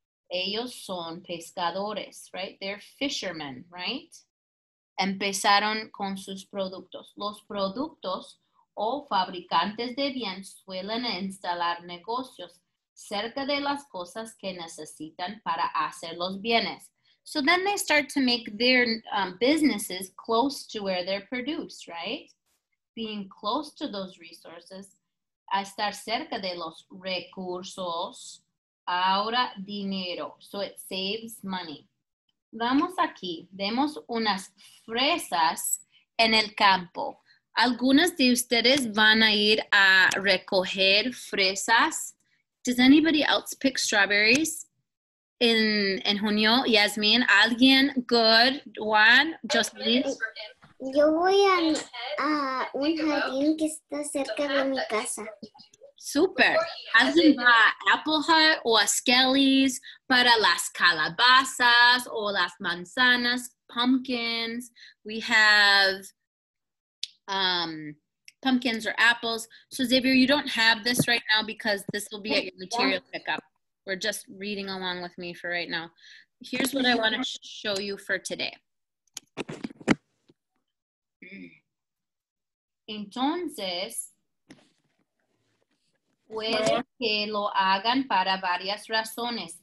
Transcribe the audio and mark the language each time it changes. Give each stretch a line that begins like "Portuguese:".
Spanish: Ellos son pescadores,
English: right? They're fishermen, right?
Spanish: Empezaron con sus productos. Los productos o fabricantes de bienes suelen instalar negocios cerca de las cosas que necesitan para hacer los bienes.
English: So then they start to make their businesses close to where they're produced, right? Being close to those resources,
Spanish: a estar cerca de los recursos, ahora dinero.
English: So it saves money.
Spanish: Vamos aquí, vemos unas fresas en el campo. Algunas de ustedes van a ir a recoger fresas.
English: Does anybody else pick strawberries? In junio, Yasmin, alguien, good, Juan, Jocelyn.
Spanish: Yo voy a un jardín que está cerca de mi casa.
English: Super.
Spanish: Alguien va a Apple Hut o a Skelly's para las calabazas o las manzanas, pumpkins.
English: We have pumpkins or apples. So Xavier, you don't have this right now because this will be at your material pickup. We're just reading along with me for right now. Here's what I want to show you for today.
Spanish: Entonces, puede que lo hagan para varias razones.